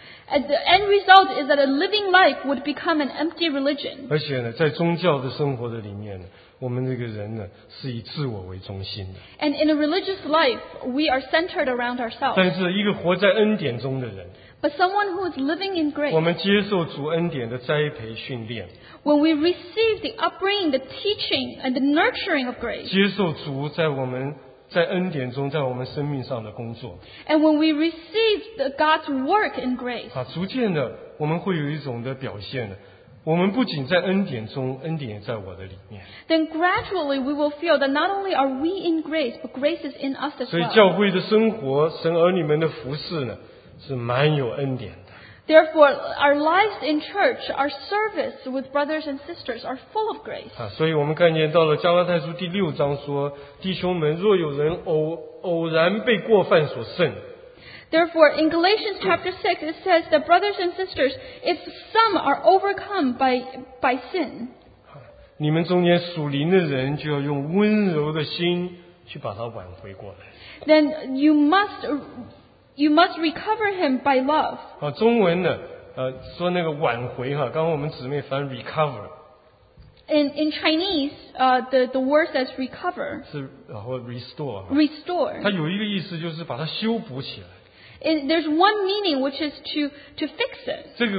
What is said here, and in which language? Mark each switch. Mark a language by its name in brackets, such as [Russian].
[English] And the end result is that a living life would become an empty religion. [Chinese] 而且呢，在宗教的生活的里面呢，我们这个人呢，是以自我为中心的。 [English] And in a religious life, we are centered around ourselves. [Chinese] 但是一个活在恩典中的人。 [English] But someone who is living in grace, [Chinese] 我们接受主恩典的栽培训练, [English] when we receive the upbringing, the teaching, and the nurturing of grace, [Chinese] 接受主在恩典中在我们生命上的工作, [English] and when we receive God's work in grace, [Chinese] 逐渐的我们会有一种的表现的, 我们不仅在恩典中,恩典也在我的里面。 [English] Then gradually we will feel that not only are we in grace, but grace is in us as well. [Chinese] 所以教会的生活,神儿女们的服事呢, 是蛮有恩典的。 [English] Therefore, our lives in church, our service with brothers and sisters are full of grace. [Chinese] 所以我们看见到了加拉太书第六章说, 弟兄们若有人偶然被过犯所胜, [English] Therefore, in Galatians chapter 6, it says that brothers and sisters, if some are overcome by sin, [Chinese] 你们中间属灵的人就要用温柔的心去把它挽回过来。 [English] Then you must recover him by love. [Chinese] 中文呢，说那个挽回哈， 刚刚我们姊妹翻 recover。 [English] In Chinese, the word says recover. [Chinese] 是，然后 restore。 [English] Restore. [Chinese] 它有一个意思就是把它修补起来。 [English] And there's one meaning, which is to fix it.